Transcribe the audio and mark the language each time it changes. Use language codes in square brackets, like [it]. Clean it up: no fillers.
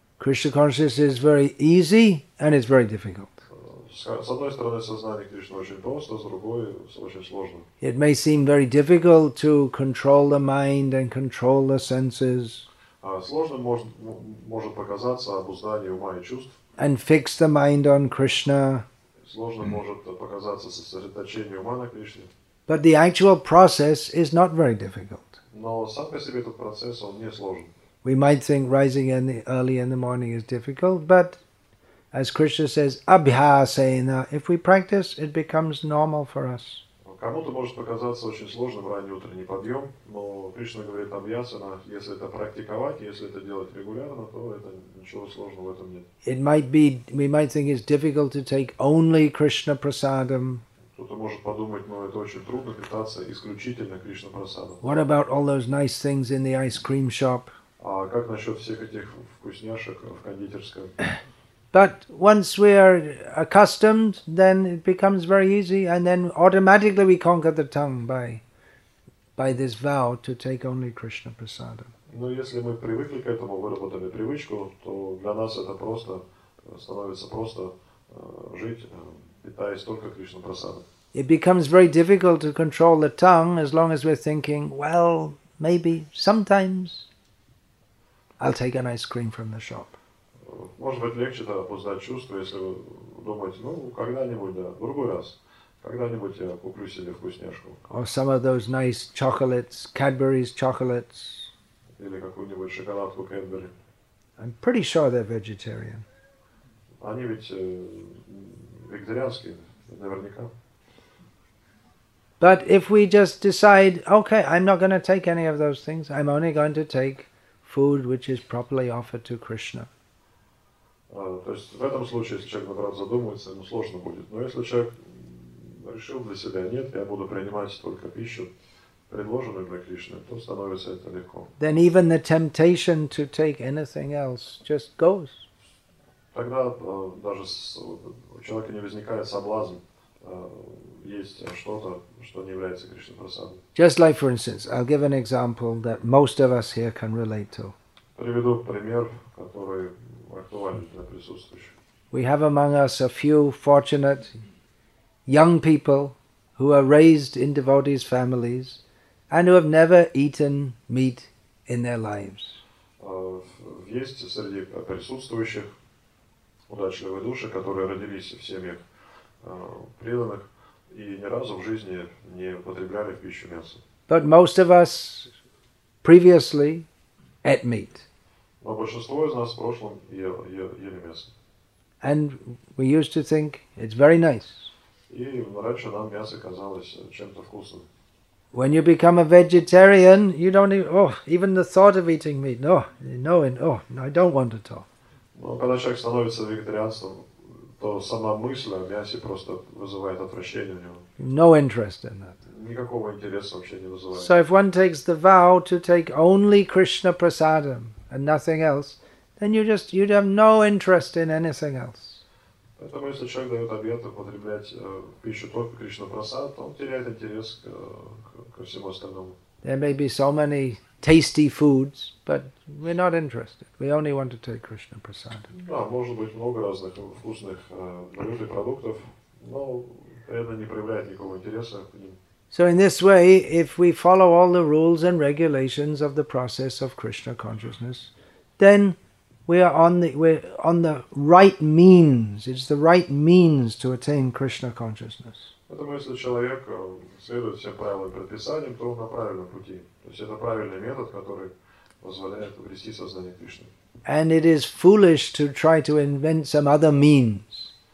[en] Krishna consciousness is very easy and it's very difficult. [ru] С одной стороны, сознание Кришны очень просто, с другой очень сложно. [en] It may seem very difficult to control the mind and control the senses. [ru] Сложным может показаться обуздание ума и чувств. [en] And fix the mind on Krishna. [ru] Сложным может показаться сосредоточение ума на Кришне. [en] But the actual process is not very difficult. [ru] Но сам по себе этот процесс, он не сложен. [en] We might think rising early in the morning is difficult, but as Krishna says, abhyasena, if we practice, it becomes normal for us. [ru] Кому-то может показаться очень сложным ранний утренний подъем, но Кришна говорит абьясана, если это практиковать, если это делать регулярно, то это ничего сложного в этом нет. [en] It might be, we might think it's difficult to take only Krishna prasadam. [ru] Кто-то может подумать, ну это очень трудно питаться исключительно Кришна прасадом. [en] What about all those nice things in the ice cream shop? [ru] А как насчет всех этих вкусняшек в кондитерской? [en] But once we are accustomed, then it becomes very easy, and then automatically we conquer the tongue by this vow to take only Krishna prasada. [ru] Но если мы привыкли к этому, выработали привычку, то для нас это просто становится просто жить, питаясь только Кришна прасадом. [en] It becomes very difficult to control the tongue as long as we're thinking, well, maybe sometimes I'll take an ice cream from the shop. [ru] Может быть, легче тогда познать чувства, если вы думаете, ну, когда-нибудь, да, в другой раз, когда-нибудь я куплю себе вкусняшку. [en] Or some of those nice chocolates, Cadbury's chocolates. [ru] Или какую-нибудь шоколадку Cadbury. [en] I'm pretty sure they're vegetarian. [ru] Они ведь вегетарианские, наверняка. [en] But if we just decide, okay, I'm not going to take any of those things, I'm only going to take food which is properly offered to Krishna. [ru] То есть в этом случае, если человек наоборот задумается, ему сложно будет. Но если человек решил для себя, нет, я буду принимать только пищу, предложенную для Кришны, то становится это легко. [en] Then even the temptation to take anything else just goes. [ru] Тогда даже у человека не возникает соблазн есть что-то, что не является Кришна Прасадом. [en] Just like, for instance, I'll give an example that most of us here can relate to. [ru] Приведу пример, который актуален для присутствующих. [en] We have among us a few fortunate young people who are raised in devotees' families and who have never eaten meat in their lives. [ru] Есть среди присутствующих удачливые души, которые родились в семьях преданных и ни разу в жизни не употребляли в пищу мясо. [en] But most of us previously ate meat. [ru] Но большинство из нас в прошлом ели мясо. [en] And we used to think it's very nice. [ru] И раньше нам мясо казалось чем-то вкусным. [en] When you become a vegetarian, you don't even the thought of eating meat. No, I don't want at all. [ru] Но когда человек становится вегетарианцем, то сама мысль о мясе просто вызывает отвращение у него. [en] No interest in that. [ru] Никакого интереса вообще не вызывает. [en] So if one takes the vow to take only Krishna prasadam and nothing else, then you'd have no interest in anything else. [ru] Поэтому если человек дает обет употреблять пищу только Кришна прасад, то он теряет интерес ко всему остальному. [en] There may be so many tasty foods, but we're not interested. We only want to take Krishna prasad. [ru] Да, может быть много разных вкусных блюд и продуктов, но это не проявляет никакого интереса к ним. [en] So in this way, if we follow all the rules and regulations of the process of Krishna consciousness, then we're on the right means. It's the right means to attain Krishna consciousness. [ru] Поэтому если человек следует всем правилам и предписаниям, то он на правильном пути. То есть это правильный метод, который позволяет обрести сознание Кришны. [en] And it is foolish to try to invent some other means.